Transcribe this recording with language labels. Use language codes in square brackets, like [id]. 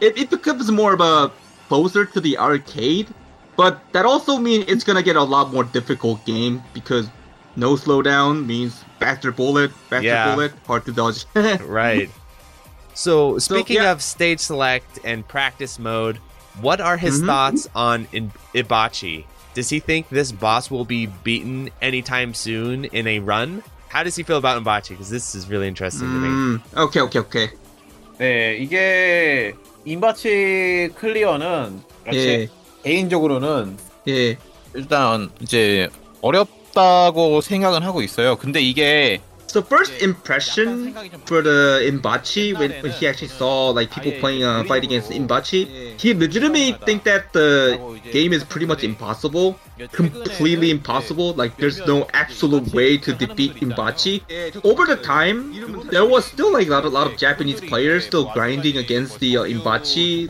[en] it becomes more of a closer to the arcade, but that also means it's gonna get a lot more difficult game because no slowdown means faster bullet, hard to dodge. Right. So, speaking of stage select and practice mode, what are his thoughts on Ibachi? Does he think this boss will be beaten anytime soon in a run? How does he feel about Ibachi? Because this is really interesting to me. Okay. [ko] 네, 이게 임바치 클리어는 개인적으로는 일단 이제 어렵다고 생각은 하고 있어요. 근데 이게 [en] So first impression for the Ibachi when he actually saw like people playing fight against Ibachi, he legitimately think that the game is pretty much impossible, completely impossible. Like there's no absolute way to defeat Ibachi. Over the time, there was still like a lot of Japanese players still grinding against the Ibachi.